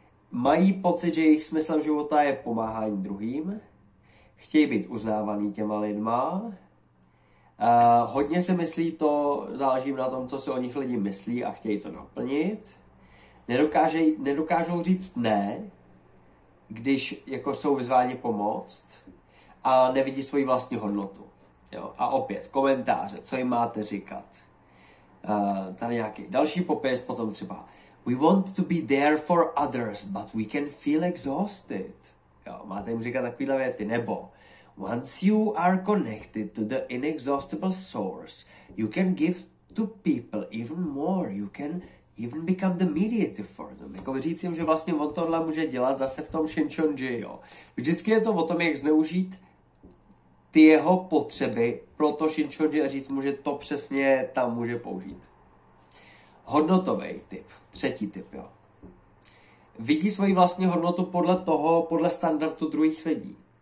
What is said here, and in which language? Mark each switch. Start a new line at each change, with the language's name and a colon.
Czech: Mají pocit, že jejich smyslem života je pomáhání druhým, chtějí být uznávaný těma lidma, hodně se myslí to, záleží na tom, co si o nich lidi myslí a chtějí to naplnit, nedokážou říct ne, když jako jsou vyzváni pomoct, a nevidí svoji vlastní hodnotu. Jo? A opět, komentáře, co jim máte říkat. Tady nějaký další popis, potom třeba
English: we want to be there for others, but we can feel exhausted.
Czech: Jo? Máte jim říkat takovýhle věty. Nebo
English: once you are connected to the inexhaustible source, you can give to people even more. You you can even become the mediator for them.
Czech: Jako říct jim, že vlastně on tohle může dělat zase v tom Shincheonji, jo. Vždycky je to o tom, jak zneužít ty jeho potřeby pro to Shincheonji a říct mu, že to přesně tam může použít. Hodnotový typ. Třetí typ, jo. Vidí svoji vlastní hodnotu podle toho, podle standardu druhých lidí.